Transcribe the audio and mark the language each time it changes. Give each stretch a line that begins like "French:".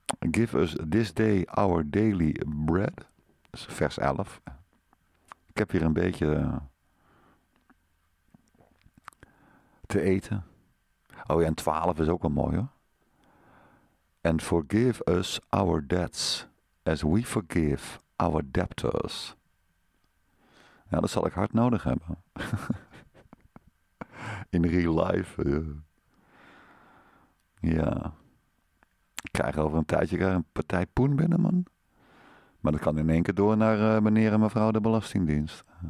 English: Give us this day our daily bread.
Dutch: Dat is vers 11. Ik heb hier een beetje te eten. Oh ja, en 12 is ook wel mooi hoor.
English: And forgive us our debts as we forgive our debtors.
Dutch: Ja, dat zal ik hard nodig hebben.
English: In real life.
Dutch: Ja. Ik krijg over een tijdje een partij poen binnen, man. Maar dat kan in één keer door naar meneer en mevrouw de Belastingdienst.